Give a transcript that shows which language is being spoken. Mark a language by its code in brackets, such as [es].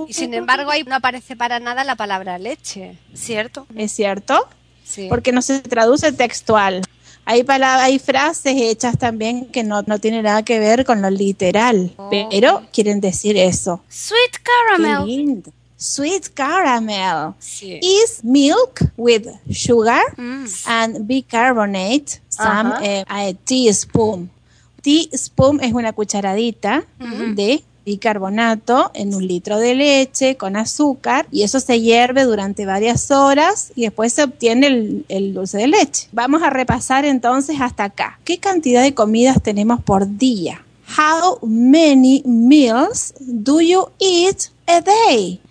[es] Y sin embargo, ahí no aparece para nada la palabra leche. ¿Cierto? ¿Es cierto? Sí. Porque no se traduce textual. Hay frases hechas también que no tiene nada que ver con lo literal, pero quieren decir eso. [en] Sweet caramel. [es] Qué lindo. [en] Sweet caramel. [es] Sí. [en] Is milk with sugar and bicarbonate, some a teaspoon. [es] Teaspoon es una cucharadita de bicarbonato en un litro de leche con azúcar y eso se hierve durante varias horas y después se obtiene el dulce de leche. Vamos a repasar entonces hasta acá. ¿Qué cantidad de comidas tenemos por día? [en] How many meals do you eat a day?